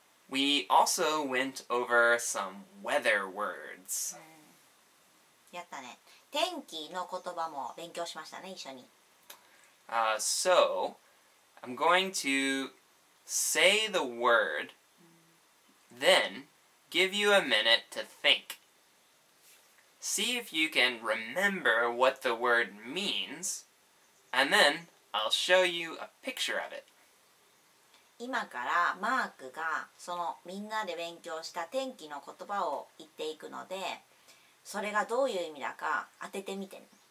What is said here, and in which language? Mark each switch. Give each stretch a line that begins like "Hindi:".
English: We also went over some weather words.、
Japanese: うん、やったね。天気の言葉も勉強しましたね、一緒に。
English: So, I'm going to say the word,、うん、then give you a minute to think. See if you can remember what the word means, and then I'll show you a picture of it.
Japanese: 今からマークがそのみんなで勉強した天気の言葉を言っていくのでそれがどういう意味だか当ててみてね。